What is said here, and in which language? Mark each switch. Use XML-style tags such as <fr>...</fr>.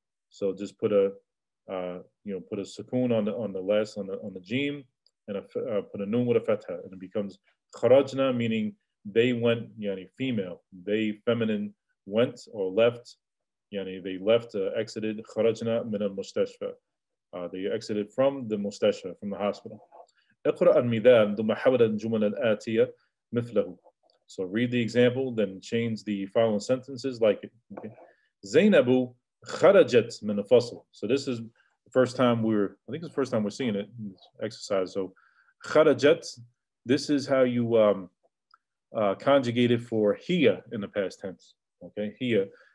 <en>So just put a, put a sukun on the last jim, and put a nun with a fatha, and it becomes kharajna, meaning they went, female, they feminine went or left, they left, exited</en> <ar>kharajna min al mustashfa,</ar> <en>they exited from the mustashfa, from the hospital.</en> <ar>اقرأ المثال ثم حول الجمل الآتية مثله.</ar> <en>So read the example, then change the following sentences like it. Okay.</en> <ar>Zainabu Kharajat min al-fasl.</ar> <en>So this is the first time we're seeing it in this exercise. So kharajat, this is how you conjugate it for hiya in the past tense. Okay, hiya.</en>